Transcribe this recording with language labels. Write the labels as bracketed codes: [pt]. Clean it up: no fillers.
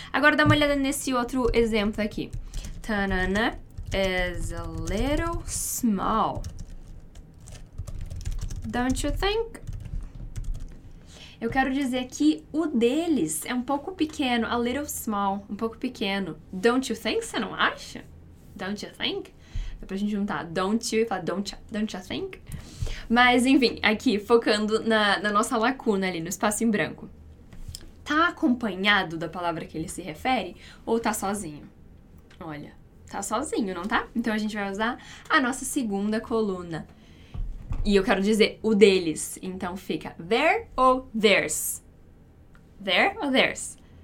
[pt] Agora, dá uma olhada nesse outro exemplo aqui. Tanana [en] is a little small. Don't you think? [pt] Eu quero dizer que o deles é um pouco pequeno, [en] a little small, [pt] um pouco pequeno. [en] Don't you think? [pt] Você não acha? [en] Don't you think? [pt] Dá pra gente juntar don't you e falar [en] don't you think? [pt] Mas, enfim, aqui, focando na nossa lacuna ali, no espaço em branco. Tá acompanhado da palavra que ele se refere ou tá sozinho? Olha, tá sozinho, não tá? Então, a gente vai usar a nossa segunda coluna. E eu quero dizer o deles. Então, fica their ou theirs? Their ou theirs?